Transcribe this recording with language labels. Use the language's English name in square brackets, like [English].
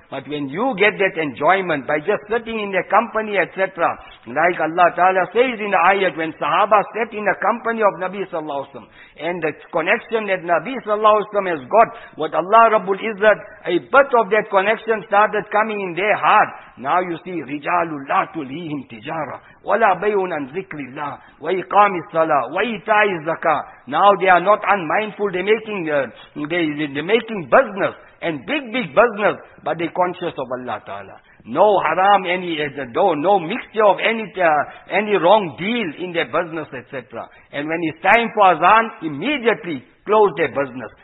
[English] But when you get that enjoyment by just sitting in their company, etc., like Allah Ta'ala says in the ayat, when Sahaba sat in the company of Nabi Sallallahu Alaihi Wasallam, and the connection that Nabi Sallallahu Alaihi Wasallam has got, what Allah Rabbul Izzat, a bit of that connection started coming in their heart. Now you see, [Arabic] رِجَالٌ لَا تُلْهِهِمْ تِجَارَةً وَلَا بَيْعٌ عَنْ ذِكْرِ اللَّهِ وَإِقَامِ الصَّلَاةِ وَإِيتَاءِ الزَّكَاةِ. [English] Now they are not unmindful, they're making business, and big business, but they're conscious of Allah Ta'ala. No haram, no mixture of any wrong deal in their business, etc. And when it's time for azan, immediately close their business.